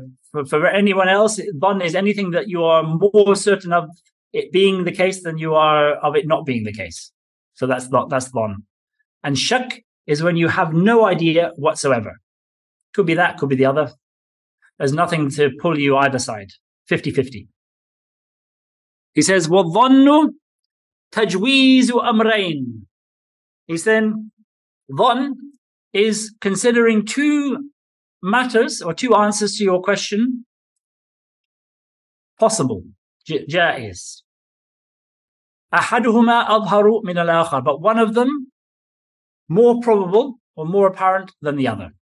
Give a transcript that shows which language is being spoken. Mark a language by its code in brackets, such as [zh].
[en] For anyone else, ظن is anything that you are more certain of it being the case than you are of it not being the case. So that's ظن. And shak is when you have no idea whatsoever. Could be that, could be the other. There's nothing to pull you either side. 50-50. He says, [ar] وَظَنُّ تَجْوِيزُ أَمْرَيْن. [en] He's saying, ظَن is considering two matters or two answers to your question possible, جَائِز. [ar] أَحَدُهُمَا أَظْهَرُ مِنَ الْآخَرِ. [en] But one of them, more probable or more apparent than the other.